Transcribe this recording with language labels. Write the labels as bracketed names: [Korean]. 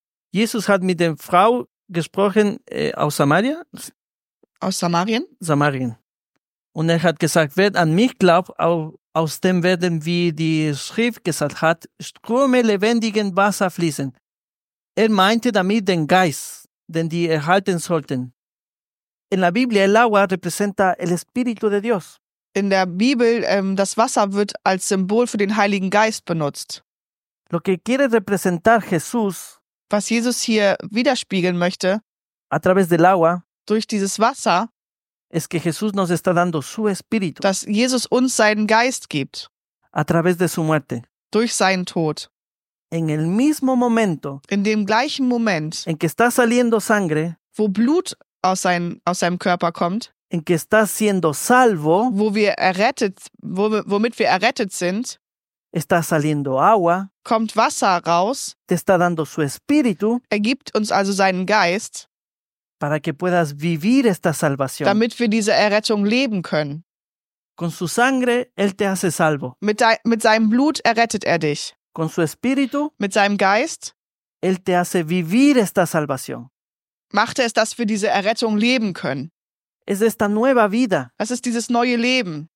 [German] Jesus hat mit der Frau gesprochen aus Samaria. Aus Samarien? Samarien. Und er hat gesagt, wer an mich glaubt, auch aus dem werden, wie die Schrift gesagt hat, Ströme lebendigen Wasser fließen. Er meinte damit den Geist, den die erhalten sollten. In der Bibel, [Spanish] el agua representa el Espíritu de Dios. [German] In der Bibel, das Wasser wird als Symbol für den Heiligen Geist benutzt. [Spanish] Lo que quiere representar Jesús, [German] was Jesus hier widerspiegeln möchte, [Spanish] a través del agua, [German] durch dieses Wasser, [Spanish] es que Jesús nos está dando su espíritu, [German] dass Jesus uns seinen Geist gibt, [Spanish] a través de su muerte, [German] durch seinen Tod. [Spanish] En el mismo momento, [German] in dem gleichen Moment, [Spanish] en que está saliendo sangre, [German] wo Blut aus seinem Körper kommt, [Spanish] en que está siendo salvo, [German] womit wir errettet sind, [Spanish] está saliendo agua, [German] kommt Wasser raus, [Spanish] te está dando su espíritu, [German] er gibt uns also seinen Geist, [Spanish] para que puedas vivir esta salvación, [German] damit wir diese Errettung leben können. [Spanish] Con su sangre, él te hace salvo. [German] Mit seinem Blut errettet er dich. [Spanish] Con su espíritu, [German] mit seinem Geist, [Spanish] él te hace vivir esta salvación. [German] Macht es, dass wir diese Errettung leben können. Es ist eine neue vida. Es ist dieses neue Leben.